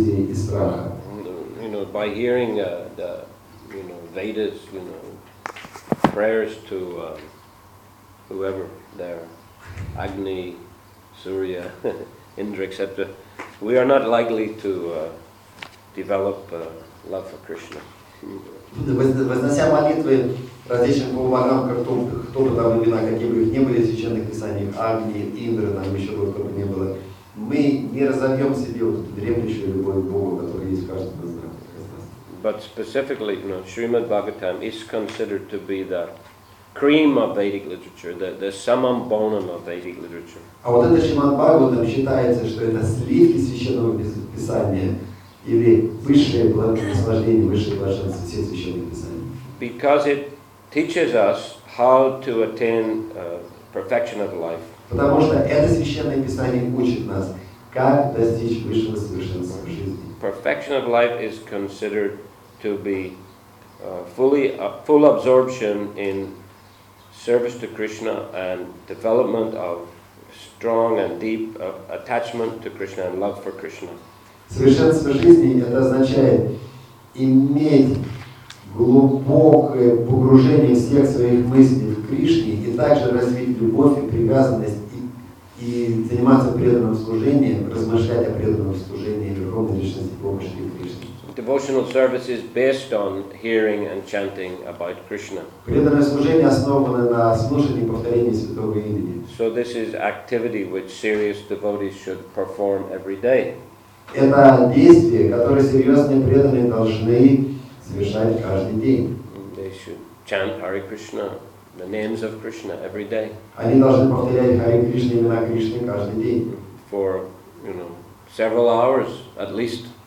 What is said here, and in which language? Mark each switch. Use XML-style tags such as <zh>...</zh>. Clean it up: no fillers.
<en>You know, by hearing the you know Vedas, you know prayers to whoever there, Agni, Surya, Indra, etc. We are not likely to develop love for Krishna.</en> <ru>Вознося молитвы различным богам, кто бы там имена, какие бы их не были в священных писаниях, Агни, Индра, там еще кто бы не было. Мы не разобьем себе вот эту дремлющую любовь к Богу, которая есть в каждом из нас.</ru> <en>But specifically, you know, Srimad Bhagavatam is considered to be the cream of Vedic literature, the summum bonum of Vedic literature.</en> <ru>А вот это Srimad Bhagavatam считается, что это сливки священного писания или высшее наслаждение, высшее блаженство всех священных писаний.</ru> <en>Because it teaches us how to attain perfection of life.</en> <ru>Потому что это священное писание учит нас, как достичь высшего совершенства в жизни.</ru> <en>Perfection of life is considered to be full absorption in service to Krishna and development of strong and deep attachment to Krishna and love for Krishna.</en> <ru>Совершенство жизни это означает иметь глубокое погружение всех своих мыслей в Кришне и также развить любовь и привязанность и заниматься преданным служением, размышлять о преданном служении Верховной Личности помощи Кришне.</ru> <en>Devotional service is based on hearing and chanting about Krishna.</en> <ru>Преданное служение основано на слушании и повторении святого имени.</ru> <en>So this is activity which serious devotees should perform every day.</en> <ru>Это действие, которое серьезные преданные должны совершать каждый день.</ru> <en>They should chant Hare Krishna. The names of Krishna every day.</en> <ru>Они должны повторять Хари Кришна, имена Кришны каждый день.</ru> <en>For, you know, several hours at least.</en>